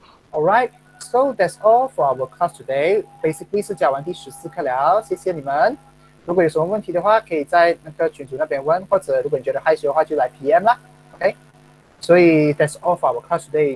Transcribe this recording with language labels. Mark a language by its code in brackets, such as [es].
[en] All right, so that's all for our class today. [zh] Basically 是教完第十四课了，谢谢你们。如果有什么问题的话，可以在那个群组那边问，或者如果你觉得害羞的话，就来 PM 啦。 [en] OK， 所以 that's all for our class today.